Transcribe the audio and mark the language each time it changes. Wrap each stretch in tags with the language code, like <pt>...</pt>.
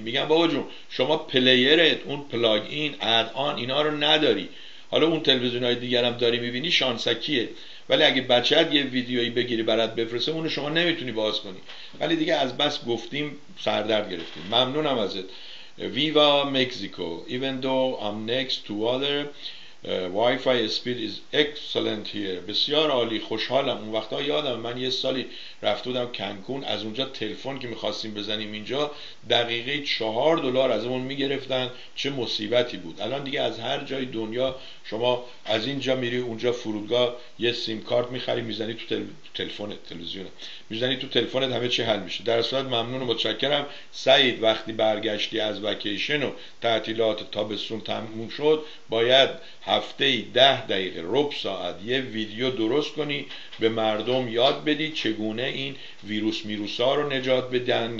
<fa>میگن بابا جون شما پلیرت، اون پلاگ این ادآن اینا رو نداری، حالا اون تلویزیون های دیگر هم داری میبینی شانسکیه، ولی اگه بچت یه ویدیویی بگیری برات بفرسته اونو شما نمیتونی باز کنی. ولی دیگه از بس گفتیم سردرد گرفتیم. ممنونم ازت.</fa> <es>ویوا مکزیکو،</es> <en>even though I'm next to other Wi-Fi speed is excellent here.</en> <fa>بسیار عالی، خوشحالم. اون وقتا یادم من یه سالی رفته بودم کانکون، از اونجا تلفن که میخواستیم بزنیم اینجا دقیقه $4 از اون میگرفتن، چه مصیبتی بود. الان دیگه از هر جای دنیا شما از اینجا میری اونجا فرودگاه یه سیم کارت میخری میزنی تو تلفنت، تلویزیونت میزنی تو تلفنت، همه چی حل میشه. در صورت ممنون و متشکرم سعید، وقتی برگشتی از وکیشن و تعطیلات تابستون تموم شد باید هفته‌ای 10 دقیقه ربع ساعت یه ویدیو درست کنی به مردم یاد بدی چگونه این ویروس میروسا رو نجات بدن.</fa>